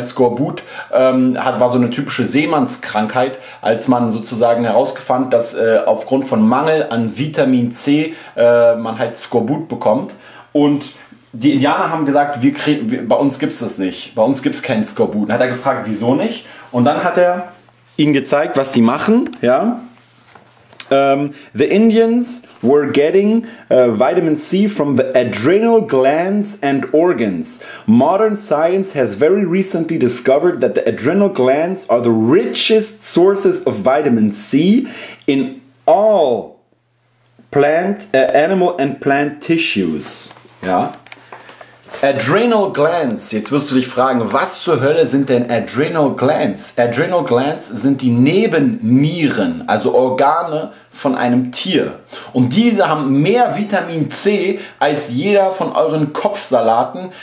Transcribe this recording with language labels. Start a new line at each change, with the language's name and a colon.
German: Skorbut war so eine typische Seemannskrankheit, als man sozusagen herausgefand, dass aufgrund von Mangel an Vitamin C man halt Skorbut bekommt. Und die Indianer haben gesagt, bei uns gibt es das nicht, bei uns gibt es kein Skorbut. Dann hat er gefragt, wieso nicht? Und dann hat er ihnen gezeigt, was sie machen, ja.
English: The Indians were getting vitamin C from the adrenal glands and organs. Modern science has very recently discovered that the adrenal glands are the richest sources of vitamin C in all animal and plant tissues.
German: Ja. Adrenal glands. Jetzt wirst du dich fragen, was zur Hölle sind denn Adrenal glands? Adrenal glands sind die Nebennieren, also Organe von einem Tier. Und diese haben mehr Vitamin C als jeder von euren Kopfsalaten.